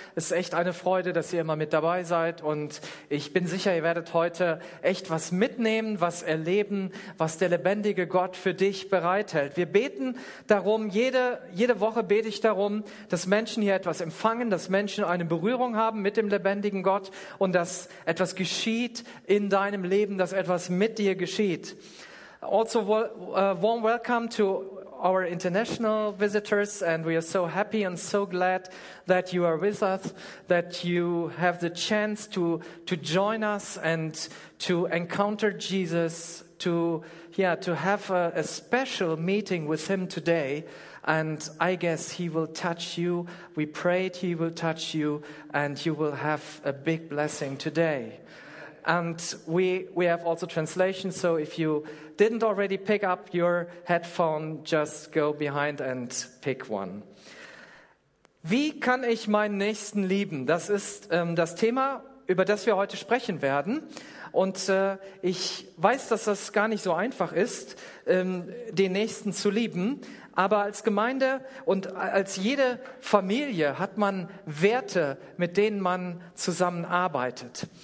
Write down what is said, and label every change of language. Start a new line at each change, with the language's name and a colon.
German: Es ist echt eine Freude, dass ihr immer mit dabei seid. Und ich bin sicher, ihr werdet heute echt was mitnehmen, was erleben, was der lebendige Gott für dich bereithält. Wir beten darum, jede Woche bete ich darum, dass Menschen hier etwas empfangen, dass Menschen eine Berührung haben mit dem lebendigen Gott und dass etwas geschieht in deinem Leben, dass etwas mit dir geschieht.
English: Also, warm welcome to our international visitors, and we are so happy and so glad that you are with us, that you have the chance to join us and to encounter Jesus, to have a special meeting with him today. And I guess he will touch you. We prayed he will touch you, and you will have a big blessing today. And we have also translation, so if you didn't already pick up your headphone, just go behind and pick one.
German: Wie kann ich meinen Nächsten lieben? Das ist das Thema, über das wir heute sprechen werden. Und ich weiß, dass das gar nicht so einfach ist, den Nächsten zu lieben. Aber als Gemeinde und als jede Familie hat man Werte, mit denen man zusammenarbeitet.